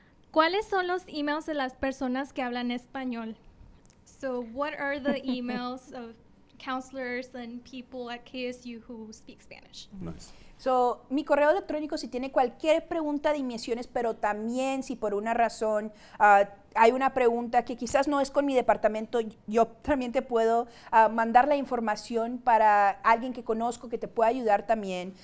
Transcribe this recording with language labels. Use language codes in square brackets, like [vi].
[es] ¿Cuáles son los emails de las personas que hablan español? [en] So what are the emails of counselors and people at KSU who speak Spanish? Nice. [es] So mi correo electrónico, si tiene cualquier pregunta de admisiones, pero también si por una razón hay una pregunta que quizás no es con mi departamento, yo también te puedo mandar la información para alguien que conozco que te pueda ayudar también.